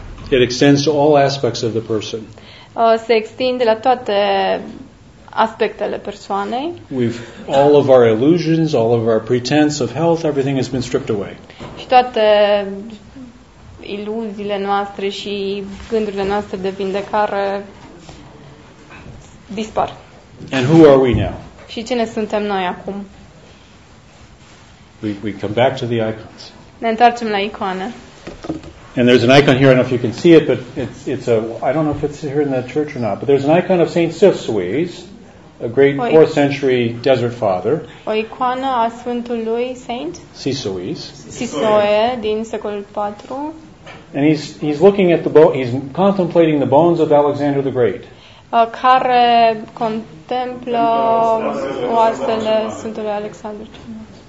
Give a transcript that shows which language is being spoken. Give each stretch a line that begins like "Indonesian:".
English: It extends to all aspects of the person.
Romanian: Se extinde la toate aspectele persoanei.
English: We've all of our illusions, all of our pretense of health, everything has been stripped away.
Romanian: Și toate iluziile noastre și gândurile noastre de vindecare dispar.
English: And who are we now?
Romanian: Și cine suntem noi acum?
English: We come back to the icons.
Romanian: Ne întoarcem la icoane.
English: And there's an icon here, I don't know if you can see it, but it's a, I don't know if it's here in the church or not, but there's an icon of Saint Sisyphus, a great 4th century desert father.
Romanian: O icoană a Sfântului Saint?
English: Sisyphus.
Romanian: Sisoe, din secolul 4.
English: And he's looking at he's contemplating the bones of Alexander the Great.
Romanian: Care contemplă oasele Sfântului Alexandru cel Mare.